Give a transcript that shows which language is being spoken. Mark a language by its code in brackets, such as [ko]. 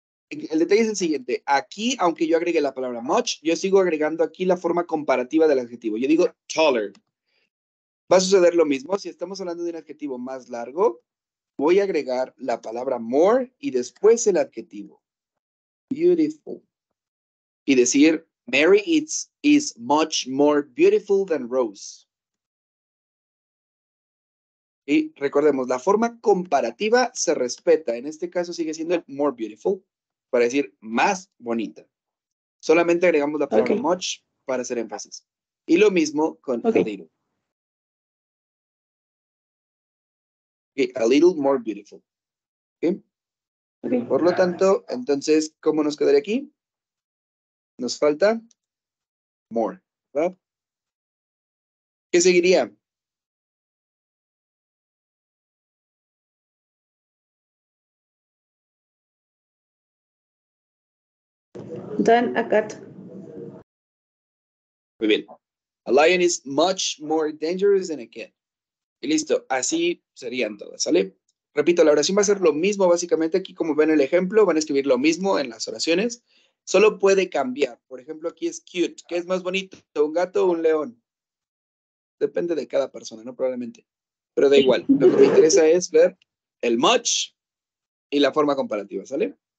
[es] El detalle es el siguiente. Aquí, aunque yo agregue la palabra much, yo sigo agregando aquí la forma comparativa del adjetivo. Yo digo taller. Va a suceder lo mismo. Si estamos hablando de un adjetivo más largo, voy a agregar la palabra more y después el adjetivo. [en] Beautiful. [es] Y decir, [en] Mary is much more beautiful than Rose. [es] Y recordemos, la forma comparativa se respeta. En este caso sigue siendo el [en] more beautiful, [es] para decir más bonita. Solamente agregamos la palabra much para hacer énfasis. Y lo mismo con a little. Okay, [en] a little more beautiful. [es] Okay. Por lo tanto, entonces, ¿cómo nos quedaría aquí? Nos falta more, ¿verdad? ¿Qué seguiría? [en] Than a cat. [es] Muy bien. [en] A lion is much more dangerous than a cat. [es] Y listo. Así serían todas, ¿sale? Repito, la oración va a ser lo mismo básicamente. Aquí, como ven el ejemplo, van a escribir lo mismo en las oraciones. Solo puede cambiar. Por ejemplo, aquí es cute. ¿Qué es más bonito, un gato o un león? Depende de cada persona, ¿no? Probablemente. Pero da igual. Lo que me interesa es ver el much y la forma comparativa, ¿sale?